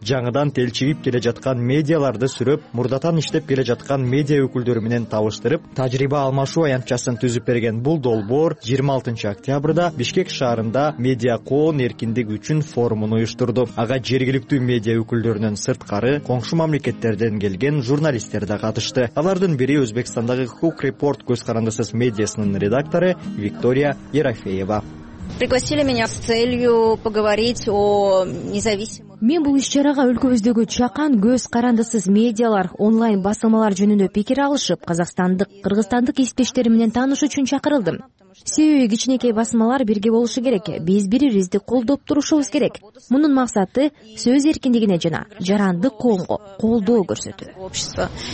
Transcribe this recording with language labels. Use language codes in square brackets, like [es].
[ky] Жаңыдан телчигип келе жаткан медиаларды сүрөп, мурдатан иштеп келе жаткан медиа өкүлдөрү менен табыштырып, тажрыйба алмашуу аянтчасын түзүп берген бул долбоор 26 октябрда Бишкек шаарында медиа коон эркиндиги үчүн форумун уюштурду. Ага жергиликтүү медиа өкүлдөрүнөн сырткары коңшу мамлекеттерден келген журналисттер да катышты. Алардын бири Өзбекстандагы Хук Репорт көз карандысыз медиасынын редактору Виктория Ерофеева. [ru] Пригласили меня с целью поговорить о независимых. [ky] Мен бул иш чарага өлкөбүздөгү чакан көз карандысыз медиалар, онлайн басылмалар жөнүндө пикир алышып, казакстандык, кыргызстандык иштештери менен таанышуу үчүн чакырылдым. Себеби кичинекей басмалар бирге болушу керек, биз бири-бирибизди колдоп турушубуз керек. Мунун максаты сөз эркиндигине жана жарандык коомго колдоо көрсөтүү.